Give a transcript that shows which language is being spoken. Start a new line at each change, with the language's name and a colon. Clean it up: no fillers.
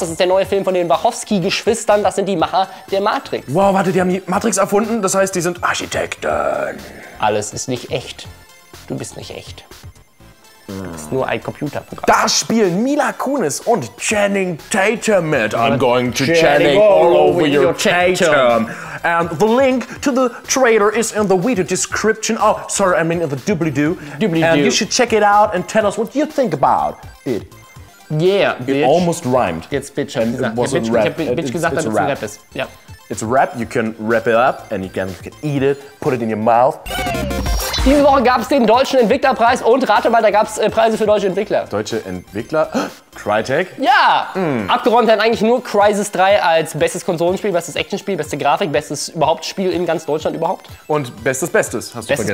German: Das ist der neue Film von den Wachowski-Geschwistern. Das sind die Macher der Matrix. Wow, warte, die haben die Matrix erfunden? Das heißt, die sind Architekten. Alles ist nicht echt. Du bist nicht echt. Das ist nur ein Computerprogramm. Da spielen Mila Kunis und Channing Tatum mit.
English: I'm going to Channing all over your Tatum. And the link to the trailer is in the video description. Oh, sorry, I mean in the doobly-doo. And you should check it out and tell us what you think about it. Yeah, bitch. It almost rhymed.
German: Jetzt bitch, hab ich gesagt. Ich hab bitch gesagt, damit es ein Rap ist. Ja.
English: It's a rap, you can wrap it up and you can eat it, put it in your mouth.
German: Diese Woche gab es den Deutschen Entwicklerpreis und rate mal, da gab es Preise für deutsche Entwickler. Deutsche Entwickler? Crytek? Ja! Mm. Abgeräumt hat eigentlich nur Crysis 3 als bestes Konsolenspiel, bestes Actionspiel, beste Grafik, bestes überhaupt Spiel in ganz Deutschland überhaupt. Und bestes Bestes, hast du bestes vergessen.